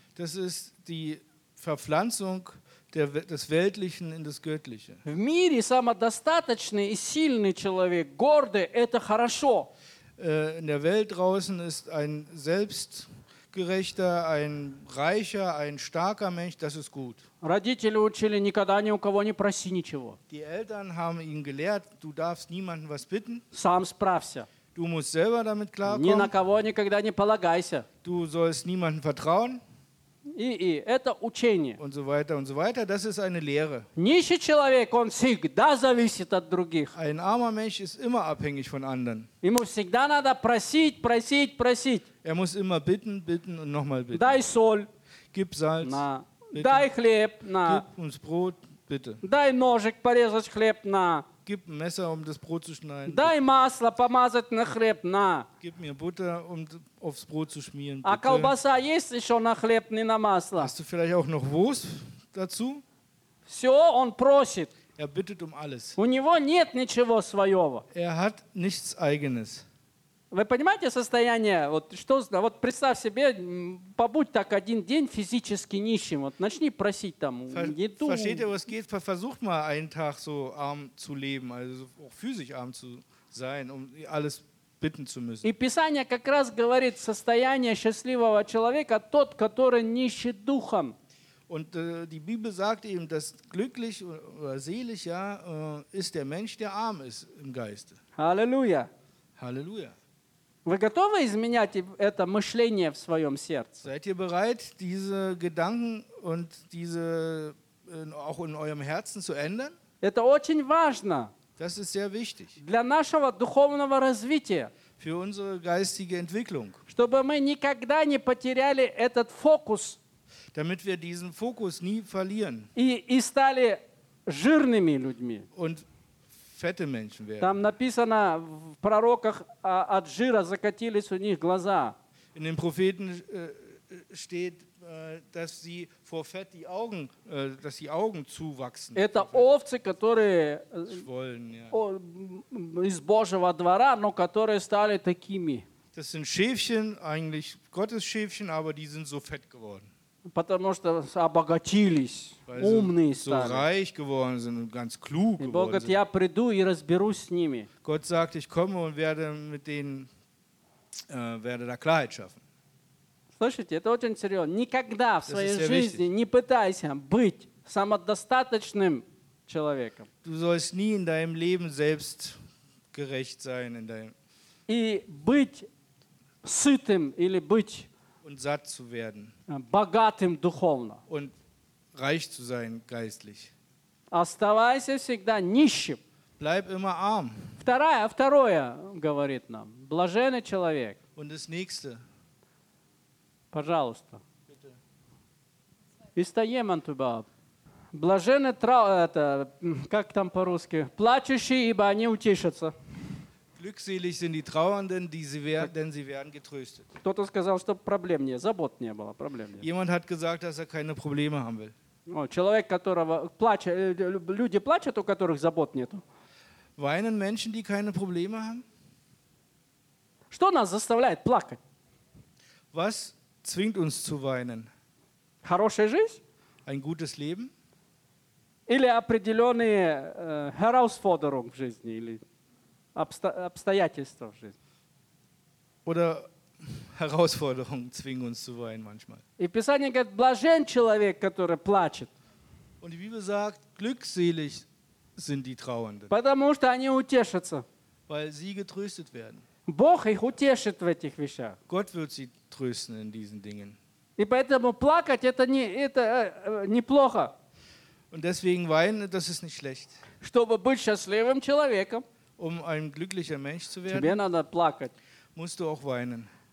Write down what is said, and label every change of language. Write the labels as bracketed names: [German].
[German] Das ist die Verpflanzung des Weltlichen in das Göttliche. [Russian] В мире самодостаточный и сильный человек, гордый, это хорошо. [German] In der Welt draußen ist ein selbstgerechter, ein reicher, ein starker Mensch, das ist gut. [Russian] Родители учили никогда ни у кого не проси ничего. [German] Die Eltern haben ihn gelehrt, du darfst niemanden was bitten. [Russian] Сам справься. [German] Du musst selber damit klarkommen. [Russian] Ни на кого никогда не полагайся. [German] Du sollst niemanden vertrauen. [Russian] И это учение. [German] Und so weiter und so weiter. Das ist eine Lehre. [Russian] Нищий человек, он всегда зависит от других. [German] Ein armer Mensch ist immer abhängig von anderen. [Russian] Ему всегда надо просить, просить, просить. [German] Er muss immer bitten, bitten und nochmal bitten. [Russian] Дай соль. [German] Gib Salz. [Russian] На. Дай хлеб. На. [German] Gib uns Brot, bitte. [Russian] Дай ножик порезать хлеб. На. [German] gib Messer, um das Brot zu schneiden. [Russian] Дай масло помазать на хлеб, на. [German] Gib mir Butter, um aufs Brot zu schmieren, bitte. [Russian] А колбаса есть еще на хлеб, не на масло. [German] Hast du vielleicht auch noch Wurst dazu? [Russian] Все он просит. [German] Er bittet um alles. [Russian] У него нет ничего своего. [German] Er hat nichts eigenes. [Russian] Вы понимаете состояние? Вот что, вот представь себе, побудь так один день физически нищим, вот начни просить там еду. [German] Versteht ihr, was geht? Versucht mal einen Tag so arm zu leben, also auch physisch arm zu sein, um alles bitten zu müssen. [Russian] И Писание как раз говорит, состояние счастливого человека тот, который нищий духом. [German] Und die Bibel sagt eben, dass glücklich oder selig ja ist der Mensch, der arm ist im Geiste. Halleluja. Halleluja. [Russian] Вы готовы изменять это мышление в своем сердце? [German] Seid ihr bereit, diese Gedanken und diese auch in eurem Herzen zu ändern? [Russian] Это очень важно. [German] Das ist sehr wichtig. [Russian] Для нашего духовного развития. [German] Für unsere geistige Entwicklung. [Russian] Чтобы мы никогда не потеряли этот фокус. [German] Damit wir diesen Fokus nie verlieren. [Russian] И стали жирными людьми. [German] Und fette Menschen werden. [Russian] Там написано в пророках, от жира закатились у них глаза. [German] In den Propheten steht, dass sie vor Fett die Augen, dass die Augen zuwachsen. [Russian] Это овцы, которые [German] Schwollen, ja. [Russian] Из Божьего двора, но которые стали такими. [German] Das sind Schäfchen, eigentlich Gottes Schäfchen, aber die sind so fett geworden. [Russian] Потому что обогатились, умные стали. [German] So reich geworden sind und ganz klug geworden. [Russian] И Бог говорит, я приду и разберусь с ними. [German] Gott sagt, ich komme und werde mit denen, werde da Klarheit schaffen. [Russian] Слышите, это очень серьезно. Никогда в своей жизни не пытайся быть самодостаточным человеком. [German] Du sollst nie in deinem Leben selbst gerecht sein in deinem. [Russian] И быть сытым или быть [German] und satt zu werden. [Russian] Богатым духовно. [German] Und reich zu sein geistlich. [Russian] Оставайся всегда нищим. [German] Bleib immer arm. [Russian] Второе говорит нам. Блаженный человек. [German] Und das nächste. [Russian] Пожалуйста. Истоемон туба. Блаженный это как там по-русски? Плачущие, ибо они утешатся. [German] Glückselig sind die Trauernden, denn sie werden getröstet. [Russian] Кто-то сказал, что проблем нет, забот не было, проблем нет. [German] Jemand hat gesagt, dass er keine Probleme haben will. [Russian] Человек, которого плачет, люди плачут, у которых забот нет. [German] Weinen Menschen, die keine Probleme haben? [Russian] Что нас заставляет плакать? [German] Was zwingt uns zu weinen? [Russian] Хорошая жизнь? [German] Ein gutes Leben? [Russian] Или определенные Herausforderungen в жизни, или обстоятельства в жизни. [German] Oder Herausforderungen zwingen uns zu weinen manchmal. [Russian] И Писание говорит, блажен человек, который плачет. [German] Und die Bibel sagt, glückselig sind die Trauernden. [Russian] Потому что они утешатся. [German] Weil sie getröstet werden. [Russian] Бог их утешит в этих вещах. [German] Gott wird sie trösten in diesen Dingen. [Russian] И поэтому плакать это не плохо. [German] Und deswegen weinen, das ist nicht schlecht. [Russian] Чтобы быть счастливым человеком. [German] Um ein glücklicher Mensch zu werden, musst du auch weinen.